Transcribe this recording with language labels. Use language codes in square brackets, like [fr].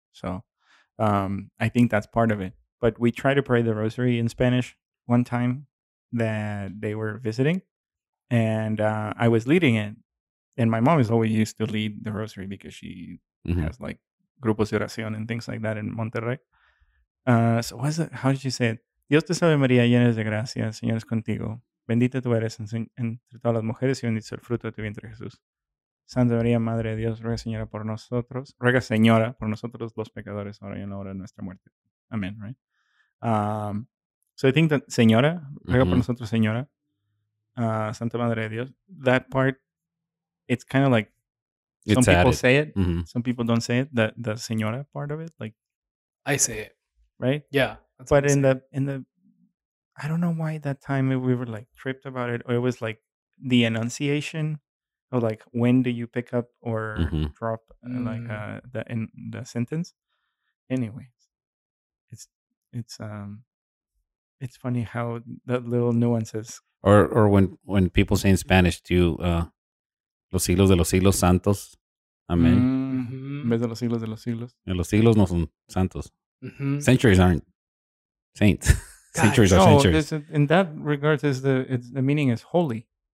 [en] So, I think that's part of it. But we tried to pray the rosary in Spanish one time that they were visiting. And I was leading it. And my mom is always used to lead the rosary because she has like [es] grupos de oración [en] and things like that in Monterrey. So what is it? How did she say it? [es] Dios te salve María, llena de gracia, el Señor es contigo. Bendita tú eres entre todas las mujeres y bendito el fruto de tu vientre, Jesús. Santa María, Madre de Dios, ruega Señora por nosotros. Ruega Señora por nosotros los pecadores ahora y en la hora de nuestra muerte. [en] Amen, right? So I think that [es] Señora, ruega por nosotros, Señora, Santa Madre de Dios, [en] that part, it's kind of like some it's people added. Say it, some people don't say it, the Señora part of it. Like I say it. Right? Yeah. But in the, I don't know why that time we were like tripped about it, or it was like the Annunciation of like, when do you pick up or drop like the in the sentence? Anyway. It's funny how that little nuances. Or when people say in Spanish too, [es] los siglos de los siglos santos. [en] Amen. [es] En vez de los siglos de los siglos. En los siglos no son santos. [en] Centuries aren't saints. God, centuries are centuries. In that regard, the meaning is holy.